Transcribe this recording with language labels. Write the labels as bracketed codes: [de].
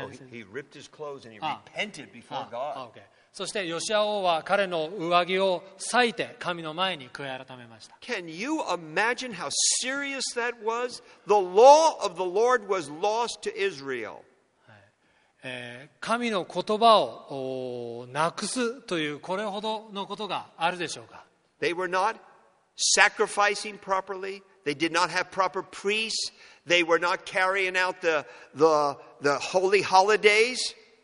[en] he ripped his clothes and he repented before God. Okay. [ja] そしてヨシア王は彼の上着を裂いて神の前に悔い改めました。 [en] Can you imagine how serious that was? The law of the Lord was lost to Israel. [ja] 神の言葉をなくすというこれほどのことがあるでしょうか。 [en] They were not sacrificing properly. They did not have proper priests. They were not carrying out the holy holidays.